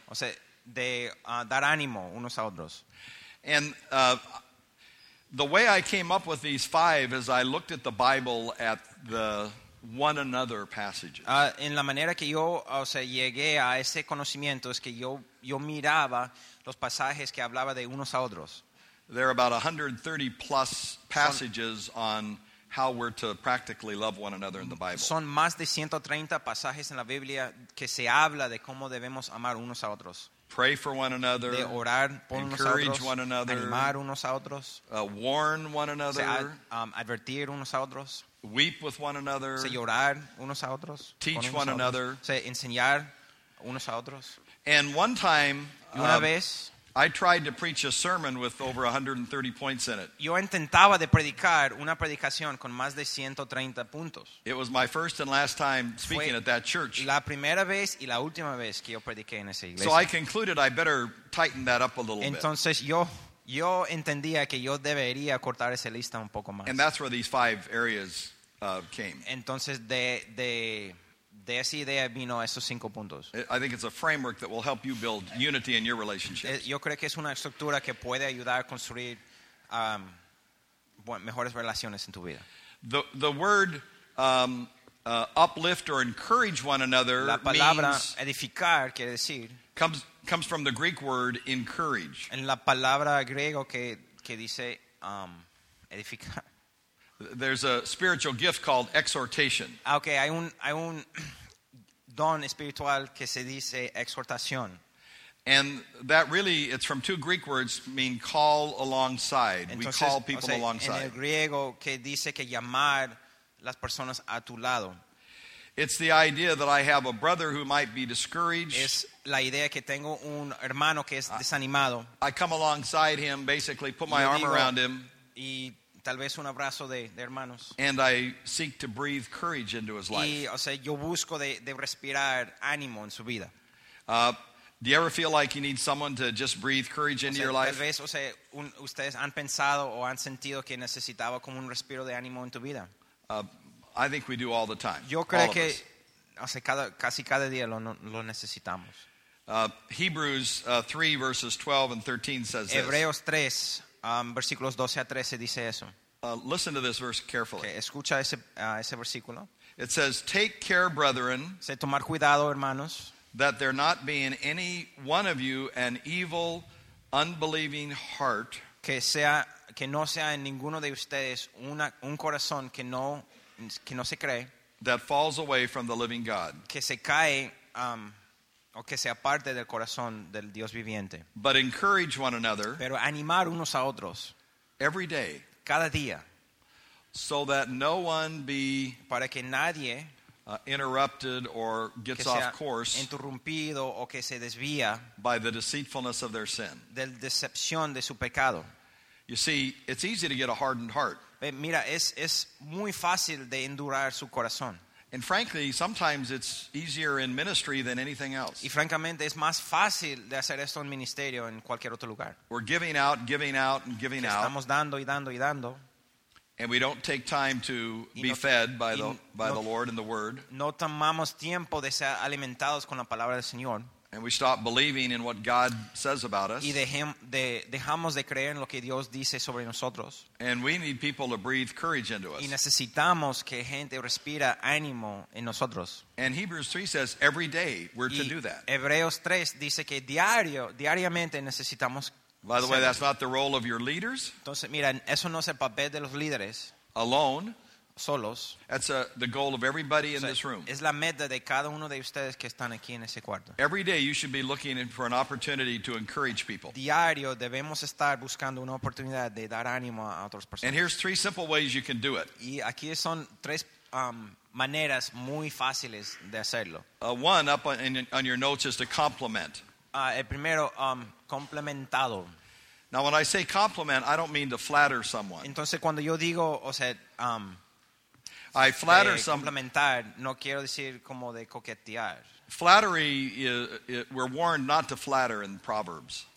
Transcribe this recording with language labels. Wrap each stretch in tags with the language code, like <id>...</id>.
<es>O sea, de dar ánimo unos a otros.</es> <en>And the way I came up with these five is I looked at the Bible at the one another passages.</en> <es>En la manera que yo, o sea, llegué a ese conocimiento es que yo miraba los pasajes que hablaba de unos a otros.</es> <en>There are about 130 plus passages on how we're to practically love one another in the Bible.</en> <es>Son más de 130 pasajes en la Biblia que se habla de cómo debemos amar unos a otros.</es> <en>Pray for one another.</en> <es>De orar por unos a otros.</es> <en>Encourage one another.</en> <es>Animar unos a otros.</es> <en>Warn one another.</en> <es>Advertir unos a otros.</es> <en>Weep with one another.</en> <es>Llorar unos a otros.</es> <en>Teach</en> <es>unos</es> <en>one another.</en> <es>Enseñar unos a otros.</es> <en>And one time,</en> <es>una vez,</es> <en>I tried to preach a sermon with over 130 points in it.</en> <es>Yo intentaba de predicar una predicación con más de 130 puntos.</es> <en>It was my first and last time speaking at that church.</en> <es>La primera vez y la última vez que yo prediqué en esa iglesia.</es> <en>So I concluded I better tighten that up a little bit.</en> <es>Entonces yo entendía que yo debería cortar esa lista un poco más.</es> <en>And that's where these five areas came.</en> <es>Entonces de esa idea vino esos cinco puntos.</es> <en>I think it's a framework that will help you build unity in your relationships.</en> <es>Yo creo que es una estructura que puede ayudar a construir mejores relaciones en tu vida.</es> <en>The word uplift or encourage one another,</en> <es>la palabra</es> <en>means,</en> <es>edificar quiere decir,</es> <en>comes from the Greek word encourage.</en> <es>En la palabra griego que dice edificar.</es> <en>There's a spiritual gift called exhortation.</en> <es>Okay, hay un don espiritual que se dice exhortación.</es> <en>And that really, it's from two Greek words, mean call alongside.</en> <es>Entonces,</es> <en>we call people alongside.</en> <es>En el griego que dice que llamar las personas a tu lado.</es> <en>It's the idea that I have a brother who might be discouraged.</en> <es>Es la idea que tengo un hermano que es desanimado.</es> <en>I come alongside him, basically put my arm around him.</en> <es>Y tal vez un abrazo de hermanos.</es> <en>And I seek to breathe courage into his life.</en> <es>Y, o sea, yo busco de respirar ánimo en su vida.</es> <en>Do you ever feel like you need someone to just breathe courage into your life?</en> <es>Tal vez, o sea, ustedes han pensado o han sentido que necesitaba como un respiro de ánimo en tu vida.</es> <en>I think we do all the time.</en> <es>Yo creo</es> <en>all</en> <es>que,</es> <en>of us.</en> <es>O sea, casi cada día lo necesitamos.</es> <en>Hebrews 3 verses 12 and 13 says this.</en> <es>Hebreos 3. Versículos 12 a 13 dice eso.</es> <en>Listen to this verse carefully.</en> <es>Okay, escucha ese versículo.</es> <en>It says, take care, brethren,</en> <es>se tomar cuidado, hermanos,</es> <en>that there not be in any one of you an evil, unbelieving heart,</en> <es>que no sea en ninguno de ustedes un corazón que no se cree,</es> <en>that falls away from the living God,</en> <es>que se cae o que sea parte del corazón del Dios viviente.</es> <en>But encourage one another.</en> <es>Pero animar unos a otros.</es> <en>Every day.</en> <es>Cada día.</es> <en>So that no one be.</en> <es>Para que nadie.</es> <en>Interrupted or gets off course.</en> <es>Interrumpido o que se desvía.</es> <en>By the deceitfulness of their sin.</en> <es>Del decepción de su pecado.</es> <en>You see, it's easy to get a hardened heart.</en> <es>Mira, es muy fácil de endurar su corazón.</es> <en>And frankly, sometimes it's easier in ministry than anything else.</en> <es>Y francamente es más fácil de hacer esto en ministerio en cualquier otro lugar.</es> <en>We're giving out and giving out.</en> <es>Estamos dando y dando y dando.</es> <en>And we don't take time to be fed by the Lord and the Word.</en> <es>No tomamos tiempo de ser alimentados con la palabra del Señor.</es> <en>And we stop believing in what God says about us.</en> <es>Y dejamos de creer en lo que Dios dice sobre nosotros.</es> <en>And we need people to breathe courage into us.</en> <es>Y necesitamos que gente respira ánimo en nosotros.</es> <en>And Hebrews 3 says every day we're to do that.</en> <es>Hebreos 3 dice que diariamente necesitamos.</es> <en>By the way, that's not the role of your leaders.</en> <es>Entonces, mira, eso no es el papel de los líderes.</es> <en>Alone.</en> <es>solos.</es> <en>That's the goal of everybody in this room.</en> <es>Es la meta de cada uno de ustedes que están aquí en ese cuarto.</es> <en>Every day you should be looking for an opportunity to encourage people.</en> <es>Diario debemos estar buscando una oportunidad de dar ánimo a otras personas.</es> <en>And here's three simple ways you can do it.</en> <es>Y aquí son tres maneras muy fáciles de hacerlo.</es> <en>One up on your notes is to compliment.</en> <es>El primero, complementado.</es> <en>Now, when I say compliment, I don't mean to flatter someone.</en> <es>Entonces, cuando yo digo, o sea,</es> <en>I flatter</en> <es>complementar, no quiero decir como de coquetear.</es> <en>Flattery, we're warned not to flatter in Proverbs.</en>